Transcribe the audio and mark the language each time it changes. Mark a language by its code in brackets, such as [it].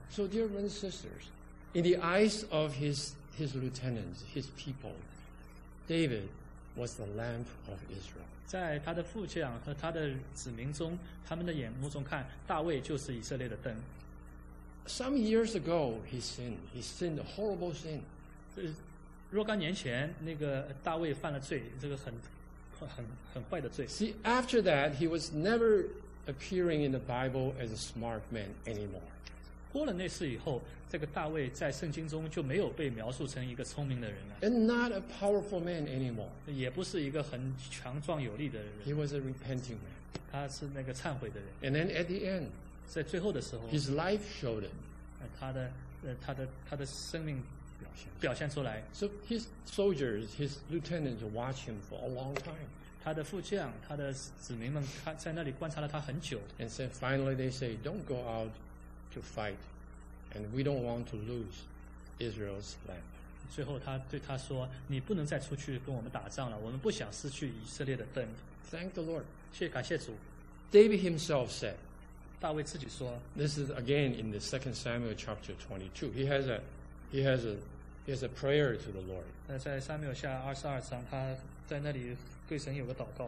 [en] So dear brothers and sisters, in the eyes of his lieutenants, his people, David was the lamp of Israel. [zh] 在他的父亲和他的子民中，他们的眼目中看，大卫就是以色列的灯。 [en] Some years ago, he sinned a horrible sin. [zh] 若干年前，那个大卫犯了罪，这个很坏的罪。 [en] See, after that, he was never appearing in the Bible as a smart man anymore. [zh] 过了那事以后，这个大卫在圣经中就没有被描述成一个聪明的人了。 [en] And not a powerful man anymore. [zh] 也不是一个很强壮有力的人。 [en] He was a repenting man. [zh] 他是那个忏悔的人。 [en] And then at the end, [zh] 在最后的时候 [en] ，his life showed it. [zh] 他的生命。表现出来。 [en] So his soldiers, his lieutenants watch him for a long time. [zh] 他的副将，他的子民们，他在那里观察了他很久。 [en] And said, finally, they say, "Don't go out to fight, and we don't want to lose Israel's land. [zh] 最后他对他说，你不能再出去跟我们打仗了，我们不想失去以色列的灯。 [en] Thank the Lord. [zh] 感谢主。 [en] David himself said, [zh] 大卫自己说， [en] this is again in the 2 Samuel chapter 22. He has a prayer to the Lord. [zh] 在撒母耳下22章，他在那里对神有个祷告。